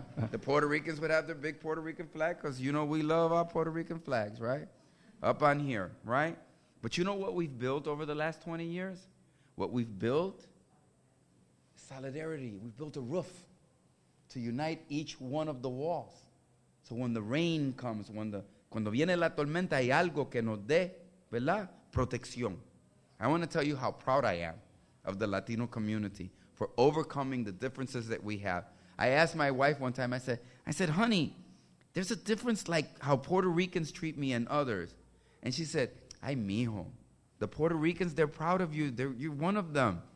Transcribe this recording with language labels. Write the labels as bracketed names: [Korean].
[English] The Puerto Ricans would have their big Puerto Rican flag, because, you know, we love our Puerto Rican flags, right? Up on here, right? But you know what we've built over the last 20 years? What we've built? Solidarity. We've built a roof to unite each one of the walls. So when the rain comes, when the [Spanish] cuando viene la tormenta, hay algo que nos dé, ¿verdad? Protección. [English] I want to tell you how proud I am of the Latino community for overcoming the differences that we have. I asked my wife one time, I said, honey, there's a difference like how Puerto Ricans treat me and others. And she said, ay, mijo, the Puerto Ricans, they're proud of you. You're one of them.